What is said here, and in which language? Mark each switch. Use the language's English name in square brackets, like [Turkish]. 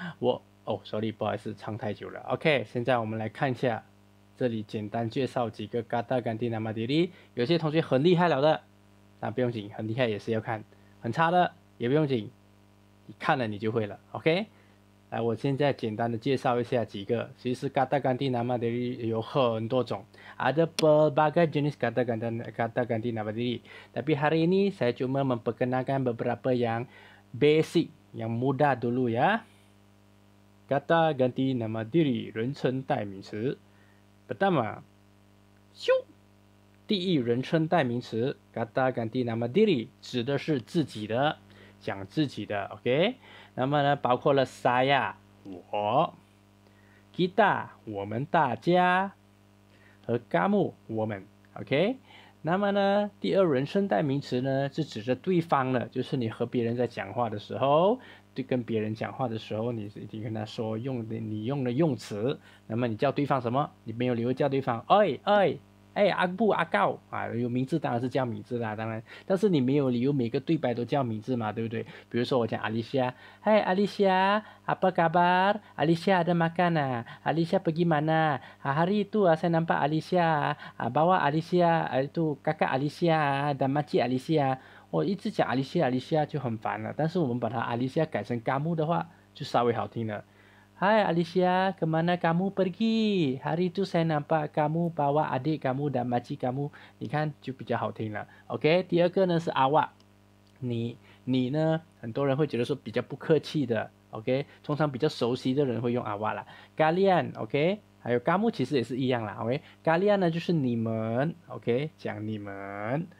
[Chinese] Wo, oh, sorry, 不好意思，唱太久了。OK， 现在我们来看一下，这里简单介绍几个 [Malay] kata ganti nama diri。 [Chinese] 有些同学很厉害了的，那不用紧，很厉害也是要看，很差的也不用紧，你看了你就会了。 OK， 来，我现在简单的介绍一下几个。其实 [Malay] kata ganti nama diri [Chinese] 有很多种 [Malay] ，ada berbagai jenis kata ganti nama diri。 Tapi hari ini saya cuma memperkenalkan beberapa yang basic， yang mudah dulu ya。 Kata ganti nama diri, [Chinese] 人称代名词。 [Malay] Pertama, [Chinese] 咻，第一人称代名词。 [Malay] Kata ganti nama diri, [Chinese] 指的是自己的，讲自己的 ，OK。那么呢，包括了 saya, 我 ，kita, 我们大家，和 kamu, 我们 ，OK。那么呢，第二人称代名词呢，是指着对方的，就是你和别人在讲话的时候。对，跟别人讲话的时候，你一定跟他说用的你用的用词。那么你叫对方什么？你没有理由叫对方哎哎哎阿布阿告啊，有名字当然是叫名字啦，当然。但是你没有理由每个对白都叫名字嘛，对不对？比如说我讲阿丽莎，嗨阿丽莎，阿巴嘎巴，阿丽莎 [Malay] ada makan [Chinese] 啊，阿丽莎 [Malay] pergi mana？啊 hari itu saya nampak Alicia， 啊 bawa Alicia， 啊 itu kakak Alicia， 啊 dan makcik Alicia。 [Chinese] 我一直讲阿丽西亚，阿丽西亚就很烦了。但是我们把它阿丽西亚改成嘎木的话，就稍微好听了。 [Malay] Hi， 阿丽西亚 ，kemana kamu pergi？ Hari itu saya nampak kamu bawa adik kamu dan makcik kamu。 [Chinese] 你看就比较好听了。 OK， 第二个呢是阿瓦，你呢？很多人会觉得说比较不客气的。OK， 通常比较熟悉的人会用阿瓦啦。 Kalian，OK，、okay? 还有嘎木其实也是一样啦。 OK，Kalian、okay? 呢就是你们。OK， 讲你们。